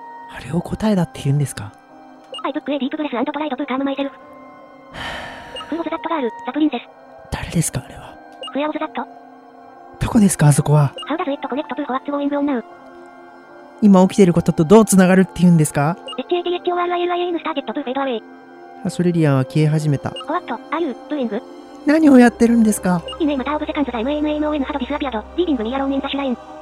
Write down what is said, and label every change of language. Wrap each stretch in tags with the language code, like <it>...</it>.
<ja>あれを答えだって言うんですか？</ja> <en>I took a deep breath and tried to calm myself. Who was that girl? The princess.</en> <ja>誰ですかあれは。</ja> <en>Where was that?</en> <ja>どこですかあそこは。</ja> <en>How does it connect to what's going on now?</en> <ja>今起きてることとどうつながるって言うんですか。</ja> <en>HADHORILIAN started to fade away.</en> <ja>ハソリリアンは消え始めた。</ja> <en>What are you doing?</en> <ja>何をやってるんですか。</ja> <en>In a matter of seconds, the MMMON had disappeared, leaving me alone in the shrine.</en>